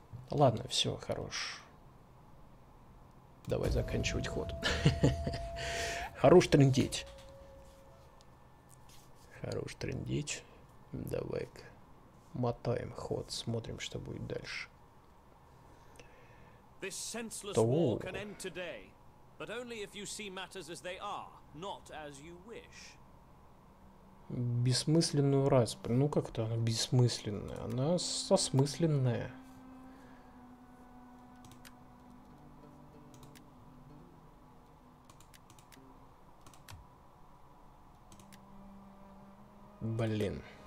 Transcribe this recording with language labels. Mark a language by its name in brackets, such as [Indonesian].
[Russian] Ладно, все, хорош. Давай заканчивать ход. Хорош трындеть. Хорош трындеть. Давай-ка. Мотаем ход, смотрим, что будет дальше. [English] This senseless war can end today, but only if you see matters as they are, not as you wish. [Russian] Бессмысленную распри. Ну как-то она бессмысленная. Она осмысленная. Блин.